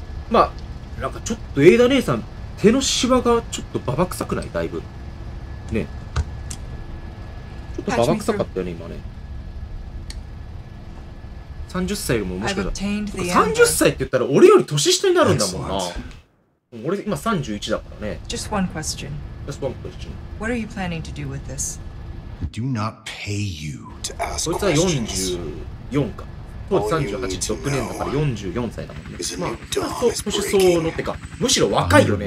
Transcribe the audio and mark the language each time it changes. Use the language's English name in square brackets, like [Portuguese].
[Japanese] まあ、なんかちょっとエイダ姉さん、手のシワがちょっとババ臭くない？だいぶ。ね。ちょっとババ臭かったよね、今ね。 30歳よりも面白い。30歳って言ったら俺より年下になるんだもんな。俺今31だからね。 [English] Just one question. Just one question. What are you planning to do with this? I do not pay you to ask questions. [Japanese] こいつは44か。当時38、6年だから44歳だもんね。まあ、そう、少しそうのってか、むしろ若いよね。